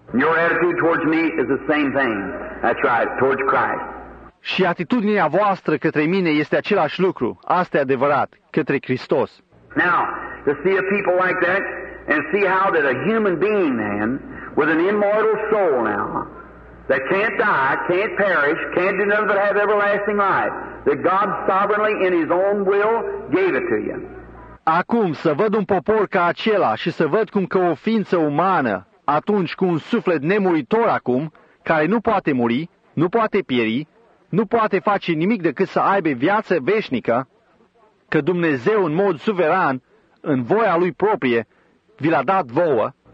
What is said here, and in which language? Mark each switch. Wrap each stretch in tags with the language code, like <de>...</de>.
<en>Your attitude towards me is the same thing. That's right, towards Christ.</en> <ro>Și atitudinea voastră către mine este același lucru. Asta e adevărat, către Hristos.</ro> <en>Now, to see a people like that and see how that a human being man with an immortal soul now that can't die, can't perish, can't do nothing but have everlasting life, that God sovereignly in his own will gave it to you.</en> <ro>Acum să văd un popor ca acela și să văd cum că o ființă umană, atunci cu un suflet nemuritor acum, care nu poate muri, nu poate pieri, nu poate face nimic decât să aibă viață veșnică, că Dumnezeu în mod suveran, în voia Lui proprie, vi l-a dat vouă.</ro>